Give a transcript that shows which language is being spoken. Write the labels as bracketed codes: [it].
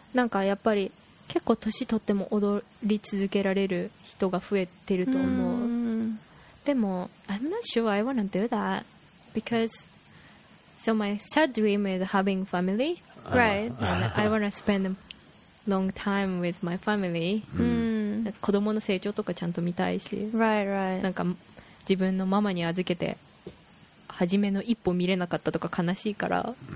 [ja] なんかやっぱり結構年取っても踊り続けられる人が増えてると思う。でも [en] I'm not sure I want to do that because so my third dream is having family, right? I want to spend long time with my family. [ja] 子供の成長とかちゃんと見たいし、 [en] right, right. [ja] なんか自分のママに預けて初めの一歩見れなかったとか悲しいから、